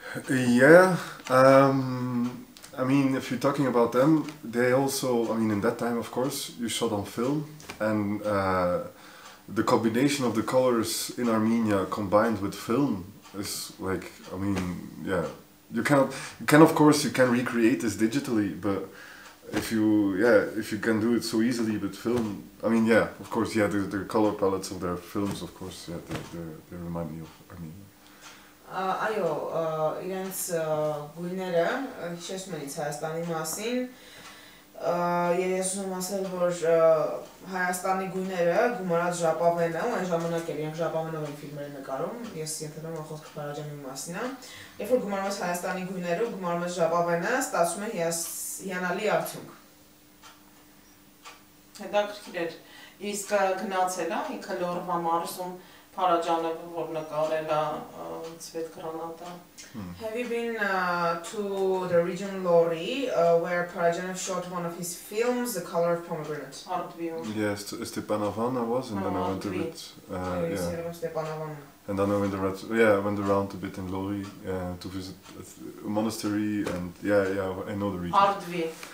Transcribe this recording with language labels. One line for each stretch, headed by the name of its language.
English: Yeah, I mean, if you're talking about them, they also, I mean, in that time, of course, you shot on film and the combination of the colors in Armenia combined with film is like, I mean, yeah, you can recreate this digitally, but if you can do it so easily with film, I mean, yeah, of course, yeah, the color palettes of their films, of course, yeah, they remind me of Armenia.
Armenian: Այո, իրենց գույները հիշեցնում են Հայաստանի մասին, ես ուզում ասել, որ Հայաստանի գույները գումարած ժապավենով, այն ժամանակ էր, իրենք ժապավենով են ֆիլմերը նկարում, ես ենթադրում եմ խոսքը Փարաջանովի մասին, երբ որ գումարում ես Հայաստանի գույները, գումարում ես ժապավենը, ստացվում է հիանալի արդյունք։ Հետաքրքիր էր, իսկ գնացել է ինքը լոռվա մարզում Փարաջանովը, որ նկարել է Ցվետգրանատը։
English: Have you been to the region Lori where Parajanov shot one of his films, The Color of Pomegranate? Yes, to Stepanavana was, and then I went to it. Yeah. And then I went around. Yeah, I went around a bit in Lori to visit a monastery, and yeah, I know the region.